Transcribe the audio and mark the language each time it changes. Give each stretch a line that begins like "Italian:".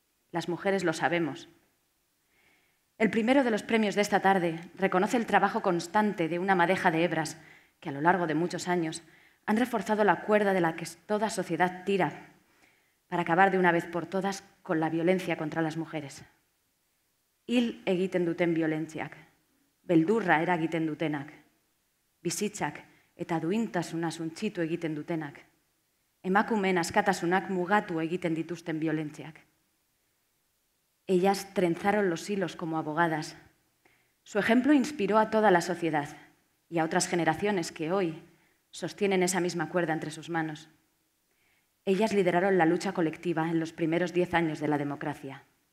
Spanish: Las mujeres lo sabemos. El primero de los premios de esta tarde reconoce el trabajo constante de una madeja de hebras que, a lo largo de muchos años, han reforzado la cuerda de la que toda sociedad tira para acabar de una vez por todas con la violencia contra las mujeres.
Basque: Hil egiten duten violentziak. Beldurra eragiten dutenak, bizitzak eta duintasuna suntxitu egiten dutenak, emakumeen askatasunak mugatu egiten dituzten violentziak.
Spanish: Ellas trenzaron los hilos como abogadas. Su ejemplo inspiró a toda la sociedad y a otras generaciones que hoy sostienen esa misma cuerda entre sus manos. Ellas lideraron la lucha colectiva en los primeros 10 años de la democracia.